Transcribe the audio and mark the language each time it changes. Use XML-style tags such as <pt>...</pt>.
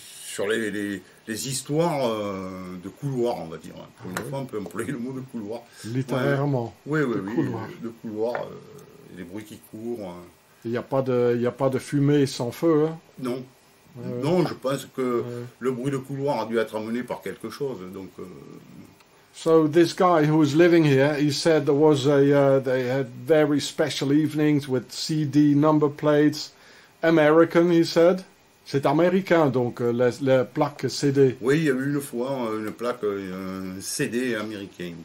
<fr>Sur les histoires de couloirs, on va dire. Pour une fois, on peut employer le mot de couloir. Littérairement. Ouais. Oui, de couloir, les bruits qui courent. Il n'y a pas de fumée sans feu, hein. Non. Non, je pense que le bruit de couloir a dû être amené par quelque chose. Donc,</fr> <en>So this guy who was living here, he said there was a they had very special evenings with CD number plates. American, he said.</en> <fr>C'est américain, donc, la plaque CD. Oui, il y a eu une fois une plaque CD américaine, il me</fr>